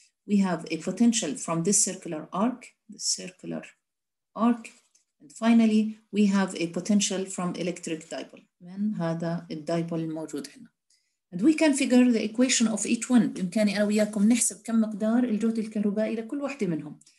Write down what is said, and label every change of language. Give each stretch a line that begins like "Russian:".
English: We have a potential from this circular arc, the circular arc. And finally, we have a potential from electric dipole.
Arabic: من هذا الدايبول الموجود عندنا.
English: And we can figure the equation of each one.
Arabic: بإمكاني أنا وياكم نحسب كم مقدار الجهد الكهربائي لكل واحدة منهم.